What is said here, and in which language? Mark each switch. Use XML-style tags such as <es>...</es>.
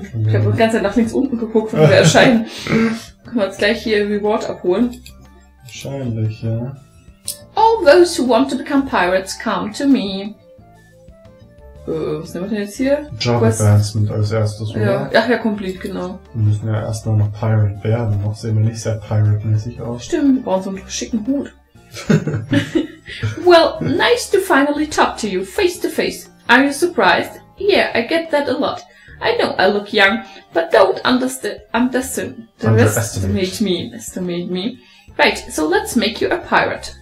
<de>Ich habe die ganze Zeit nach links unten geguckt, wo wir erscheinen. Können wir uns gleich hier Reward abholen. Wahrscheinlich, ja.</de> <en>All those who want to become pirates, come to me.</en> <de>Was nehmen wir denn jetzt hier? Job Quest. Advancement als erstes, oder? Ja. Ach ja, complete, genau. Wir müssen ja erst noch Pirate werden, noch sehen wir nicht sehr Pirate-mäßig aus. Stimmt, wir brauchen so einen schicken Hut.</de> <en>Well, nice to finally talk to you, face to face. Are you surprised? Yeah, I get that a lot. I know I look young, but don't underestimate me. Right, so let's make you a pirate.</en>